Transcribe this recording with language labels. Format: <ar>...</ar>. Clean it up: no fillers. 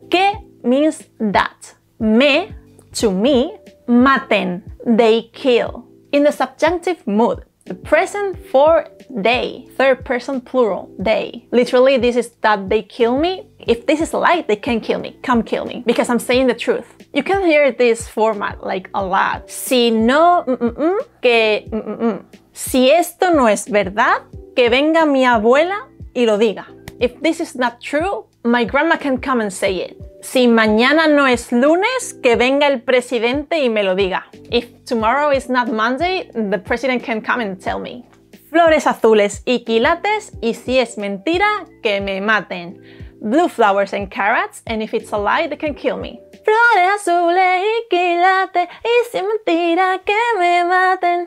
<en>Que means that. Me, to me, maten. They kill. in the subjunctive mood, the present for they, third person plural, they. Literally, this is that they kill me. If this is a lie, they can kill me. Come kill me, because I'm saying the truth. You can hear this format like a lot.</en> <es>Si no, que, si esto no es verdad, que venga mi abuela y lo diga.</es> <en>If this is not true, my grandma can come and say it.</en> <es>Si mañana no es lunes, que venga el presidente y me lo diga.</es> <en>If tomorrow is not Monday, the president can come and tell me.</en> <es>Flores azules y quilates, y si es mentira, que me maten.</es> <en>Blue flowers and carrots, and if it's a lie, they can kill me.</en> <es>Flores azules y quilates, y si es mentira, que me maten.</es>